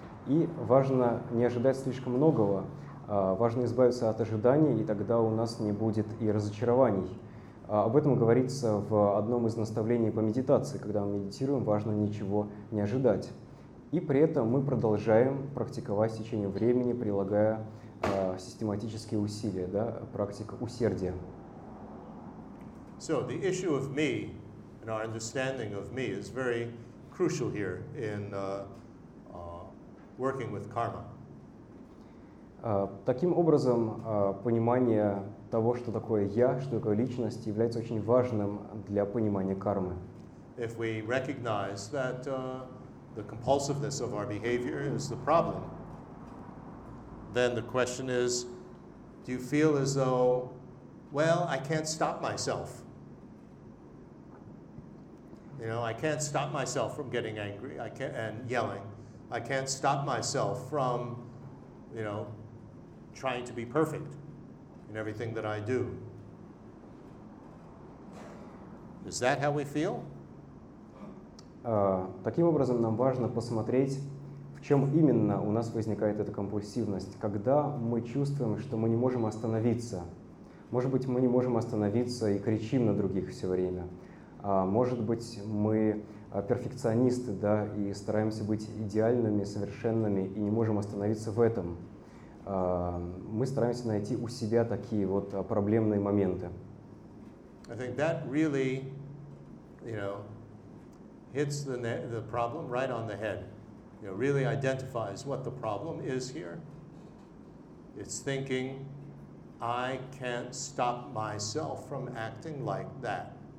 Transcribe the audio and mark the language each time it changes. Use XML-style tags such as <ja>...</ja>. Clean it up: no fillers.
<ru>И важно не ожидать слишком многого. Важно избавиться от ожиданий, и тогда у нас не будет и разочарований. Об этом говорится в одном из наставлений по медитации. Когда мы медитируем, важно ничего не ожидать. И при этом мы продолжаем практиковать в течение времени, прилагая систематические усилия, да, практика усердия.</ru> <en>So the issue of me and our understanding of me is very crucial here in working with karma.</en> <ru>Таким образом, понимание того, что такое я, что такое личность, является очень важным для понимания кармы.</ru> <en>If we recognize that the compulsiveness of our behavior is the problem, then the question is, do you feel as though, well, I can't stop myself? You know, I can't stop myself from getting angry and yelling. I can't stop myself from, you know, trying to be perfect in everything that I do. Is that how we feel?</en> <ru>Таким образом, нам важно посмотреть, в чем именно у нас возникает эта компульсивность. Когда мы чувствуем, что мы не можем остановиться. Может быть, мы не можем остановиться и кричим на других все время. Может быть, мы перфекционисты, да, и стараемся быть идеальными, совершенными, и не можем остановиться в этом. Мы стараемся найти у себя такие вот проблемные моменты.</ru> <en>I think that really, you know, hits the problem right on the head. You know, really identifies what the problem is here. It's thinking, I can't stop myself from acting like that.</en>